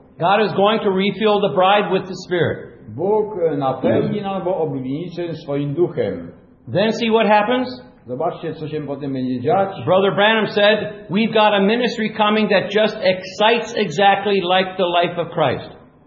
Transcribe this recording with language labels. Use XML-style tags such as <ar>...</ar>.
<en>God is going to refill the bride with the Spirit.</en> <pl>Bóg napełni nam oblubienicę swoim duchem.</pl> <en>Then see what happens.</en> <pl>Zobaczcie, co się potem będzie dziać.</pl> <en>Brother Branham said, we've got a ministry coming that just excites exactly like the life of Christ.</en>